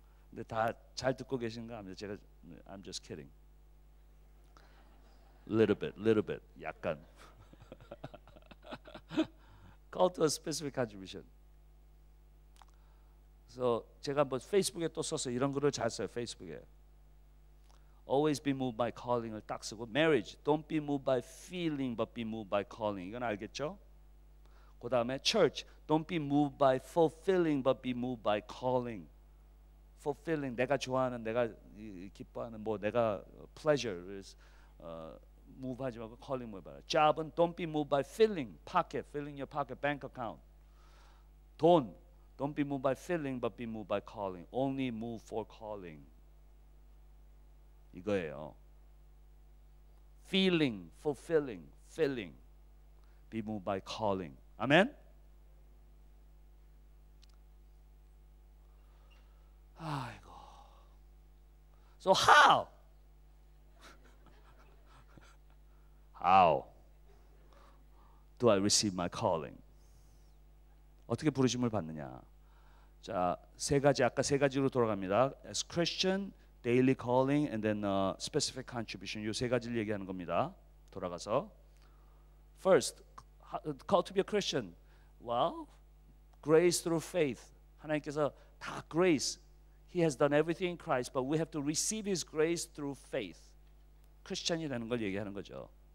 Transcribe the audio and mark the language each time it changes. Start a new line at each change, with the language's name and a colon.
Korean: 근데 다 잘 듣고 계신가? 아니면 제가
English: I'm just kidding. Little bit.
Korean: 약간.
English: Call to a specific contribution.
Korean: So 제가 한번 페이스북에 또 써서 이런 글을 잘 써요.
English: 페이스북에. Always be moved by calling을
Korean: 딱 쓰고
English: marriage. Don't be moved by feeling but be moved by calling.
Korean: 이건 알겠죠? 그 다음에 church.
English: Don't be moved by fulfilling but be moved by calling.
Korean: Fulfilling, 내가 좋아하는, 내가 기뻐하는, 뭐 내가
English: pleasure is move
Korean: 하지 말고 calling 뭐 봐라.
English: Job은 don't be moved by feeling, pocket, filling your pocket, bank account. 돈, don't be moved by feeling but be moved by calling. Only move for calling.
Korean: 이거예요.
English: Feeling, fulfilling, filling, be moved by calling. Amen. 아이고. So how? How do I receive my calling?
Korean: 어떻게 부르심을 받느냐? 자, 세 가지 아까 세 가지로 돌아갑니다.
English: As Christian, daily calling and then specific contribution.
Korean: 요 세 가지를 얘기하는 겁니다. 돌아가서
English: First, call to be a Christian. Well, grace through faith.
Korean: 하나님께서 다
English: grace He has done everything in Christ, but we have to receive His grace through faith.
Korean: 크리스천이 되는 걸 얘기하는 거죠.